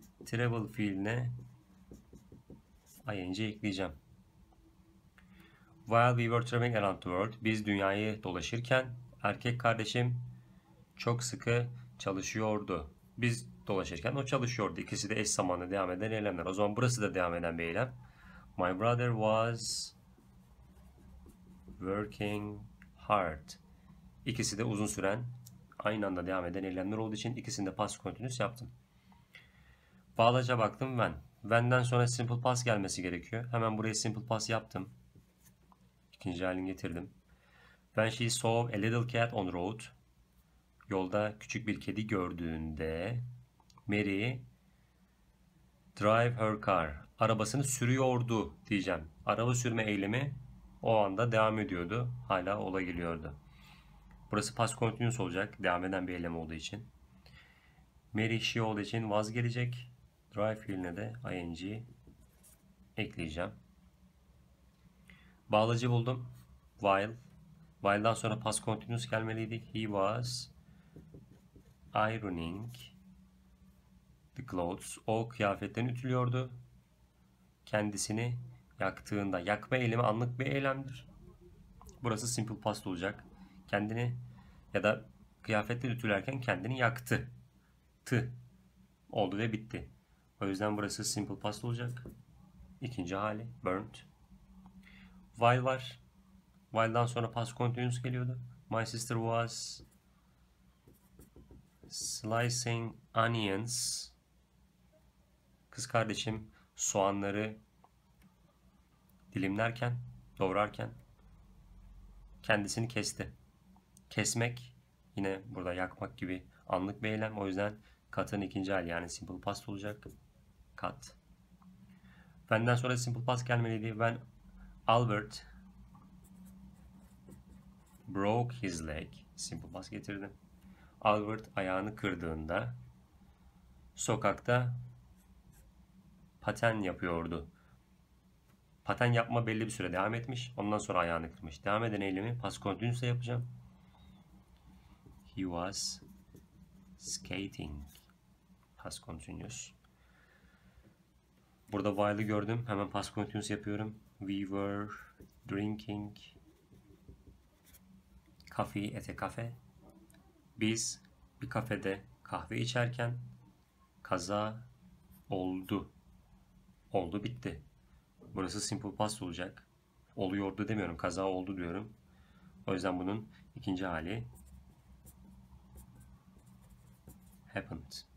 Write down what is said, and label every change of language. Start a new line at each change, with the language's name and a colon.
Turkish: Travel fiiline ing ekleyeceğim.
English: While we were traveling around the world,
Turkish: biz dünyayı dolaşırken erkek kardeşim çok sıkı çalışıyordu. Biz dolaşırken o çalışıyordu. İkisi de eş zamanlı devam eden eylemler. O zaman burası da devam eden bir eylem.
English: My brother was working hard.
Turkish: İkisi de uzun süren, aynı anda devam eden eylemler olduğu için ikisini de past continuous yaptım. Bağlaca baktım ben. Benden sonra simple past gelmesi gerekiyor. Hemen buraya simple past yaptım. İkinci halini getirdim.
English: When she saw a little cat on the road.
Turkish: Yolda küçük bir kedi gördüğünde
English: Mary drive her car.
Turkish: Arabasını sürüyordu diyeceğim. Araba sürme eylemi o anda devam ediyordu. Hala ola geliyordu. Burası past continuous olacak. Devam eden bir eylem olduğu için. Mary she olduğu için was gelecek. Drive yerine de ing ekleyeceğim. Bağlacı buldum. While. While'dan sonra past continuous gelmeliydi.
English: He was ironing the clothes.
Turkish: O kıyafetlerini ütülüyordu. Kendisini yaktığında. Yakma eylemi anlık bir eylemdir. Burası simple past olacak. Kendini ya da kıyafetleri ütülerken kendini yaktı. Tı. Oldu ve bitti. O yüzden burası simple past olacak. İkinci hali. Burnt. While var. While'dan sonra past continuous geliyordu.
English: My sister was slicing onions.
Turkish: Kız kardeşim soğanları dilimlerken, doğrarken kendisini kesti. Kesmek yine burada yakmak gibi anlık bir eylem. O yüzden cut'ın ikinci hali yani simple past olacak. Cut. Benden sonra simple past gelmeliydi.
English: When Albert broke his leg.
Turkish: Simple past getirdim. Albert ayağını kırdığında sokakta paten yapıyordu. Paten yapma belli bir süre devam etmiş. Ondan sonra ayağını kırmış. Devam eden eylemi past continuous'a yapacağım.
English: He was skating. Past continuous.
Turkish: Burada while'ı gördüm. Hemen past continuous yapıyorum.
English: We were drinking coffee at a cafe.
Turkish: Biz bir kafede kahve içerken kaza oldu. Oldu bitti. Burası simple past olacak. Oluyordu demiyorum. Kaza oldu diyorum. O yüzden bunun ikinci hali happened.